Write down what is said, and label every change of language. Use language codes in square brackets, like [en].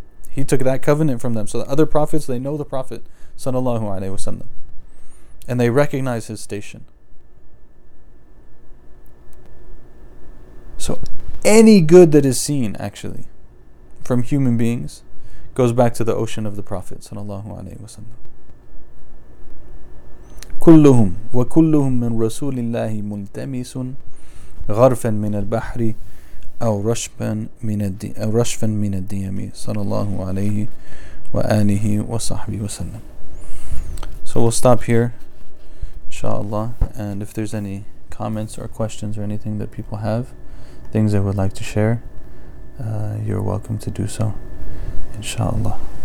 [en] He took that covenant from them. So the other prophets, they know the Prophet sallallahu alaihi wasallam and they recognize his station. So any good that is seen actually from human beings goes back to the ocean of the Prophet sallallahu alaihi wasallam. [ar] كلهم وكلهم من رسول الله ملتمس غرفا من البحر أو رشفا من الديم صلى الله عليه وآله وصحبه وسلم. [en] So we'll stop here inshallah, and if there's any comments or questions or anything that people have, things they would like to share, you're welcome to do so inshallah.